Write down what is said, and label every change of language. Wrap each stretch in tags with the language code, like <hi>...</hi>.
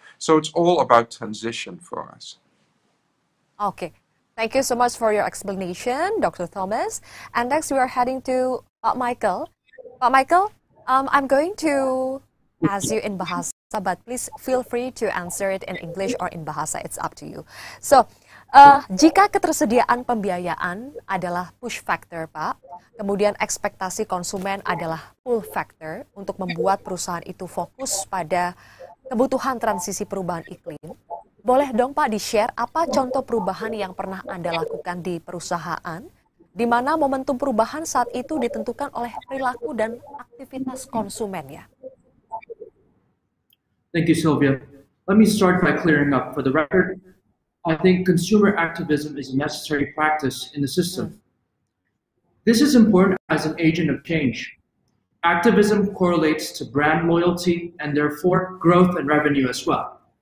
<en>So it's all about transition for us. Okay. Thank you so much for your explanation, Dr. Thomas. And next we are heading to Pak Michael. Pak Michael, I'm going to ask you in Bahasa, but please feel free to answer it in English or in Bahasa, it's up to you.</en> <id>So, jika ketersediaan pembiayaan adalah push factor, Pak, kemudian ekspektasi konsumen adalah pull factor untuk membuat perusahaan itu fokus pada kebutuhan transisi perubahan iklim, boleh dong, Pak, di-share apa contoh perubahan yang pernah Anda lakukan di perusahaan di mana momentum perubahan saat itu ditentukan oleh perilaku dan aktivitas konsumen, ya?</id> <en>Thank you, Sylvia. Let me start by clearing up. For the record, I think consumer activism is a necessary practice in the system. This is important as an agent of change. Activism correlates to brand loyalty and therefore growth and revenue as well.</en>